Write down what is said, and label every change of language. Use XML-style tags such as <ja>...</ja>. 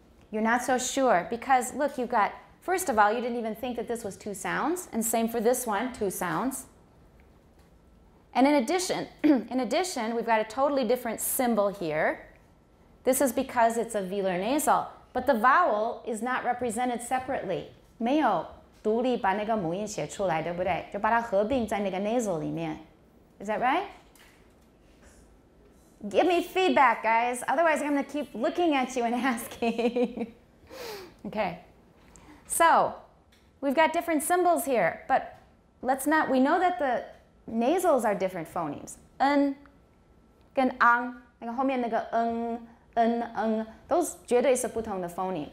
<en>You're not so sure because, look, you've got, first of all, you didn't even think that this was two sounds, and same for this one, two sounds. And in addition, we've got a totally different symbol here. This is because it's a velar nasal, but the vowel is not represented separately.</en> <zh>没有独立把那个母音写出来，对不对？就把它合并在那个 nasal 里面。</zh> <en>Is that right? Give me feedback, guys. Otherwise, I'm going to keep looking at you and asking. Okay. So, we've got different symbols here, but let's not, we know that the nasals are different phonemes.</en> <zh>N, gen ang, 那个后面那个 ng, n, ng, those 绝对是不同的 phoneme.</zh>